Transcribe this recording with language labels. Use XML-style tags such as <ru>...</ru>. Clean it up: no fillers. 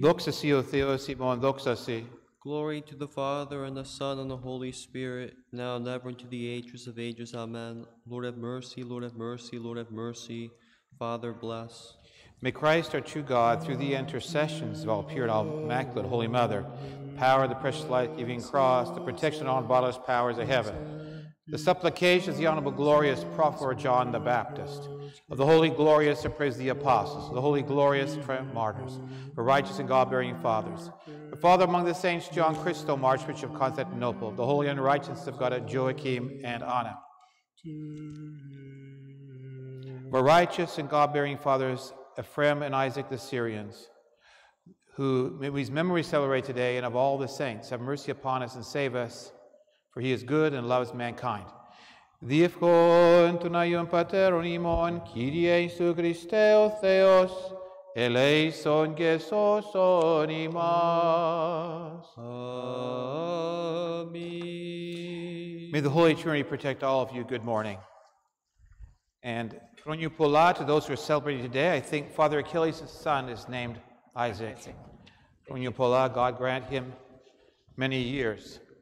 <el>Δόξα σοι ο Θεός ημών, δόξα σοι.</el> <en>Glory to the Father, and the Son, and the Holy Spirit, now and ever, and to the ages of ages. Amen. Lord have mercy, Lord have mercy, Lord have mercy. Father, bless. May Christ, our true God, through the intercessions of all pure and all immaculate Holy Mother, the power of the precious life-giving cross, the protection of all bodiless powers of heaven, the supplications of the honorable, glorious prophet John the Baptist, of the holy, glorious, and praise the apostles, of the holy, glorious, and triumphant martyrs, the righteous and God-bearing fathers, the father among the saints, John Chrysostom, Archbishop of Constantinople, the holy and righteous of God, Joachim and Anna, the righteous and God-bearing fathers, Ephrem and Isaac the Syrians, whose memory celebrate today, and of all the saints, have mercy upon us and save us, for he is good and loves mankind.</en> <el>Διευχόν τον Άγιον Πατέρον ημών, Κύριε Ιησού Χριστέ ο Θεός, ελέησον και σώσον ημάς. Αμήν.</el> <en>May the Holy Trinity protect all of you. Good morning. And</en> <el>χρόνια πολλά</el> <en>to those who are celebrating today. I think Father Achilles' son is named Isaac.</en> <el>Χρόνια πολλά,</el> <en>God grant him many years.</en>